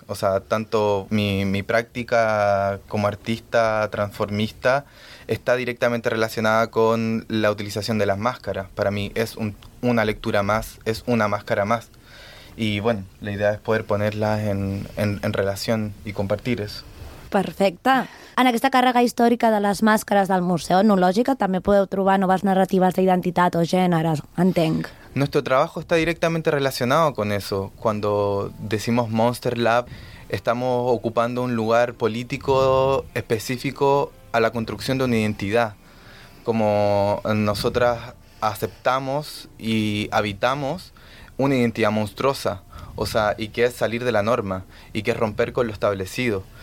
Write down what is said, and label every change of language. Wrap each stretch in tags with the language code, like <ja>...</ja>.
<es>O sea, tanto mi práctica como artista transformista está directamente relacionada con la utilización de las máscaras. Para mí es una lectura más, es una máscara más. Y bueno, la idea es poder ponerlas en relación y compartir eso.</es> <ca>Perfecte. En aquesta càrrega històrica de les màscares del Museu Etnològic també podeu trobar noves narratives d'identitat o gènere, entenc.</ca> <es>Nuestro trabajo está directamente relacionado con eso. Cuando decimos Monster Lab, estamos ocupando un lugar político específico a la construcción de una identidad. Como nosotras aceptamos y habitamos una identidad monstruosa, o sea, y que es salir de la norma, y que es romper con lo establecido.</es>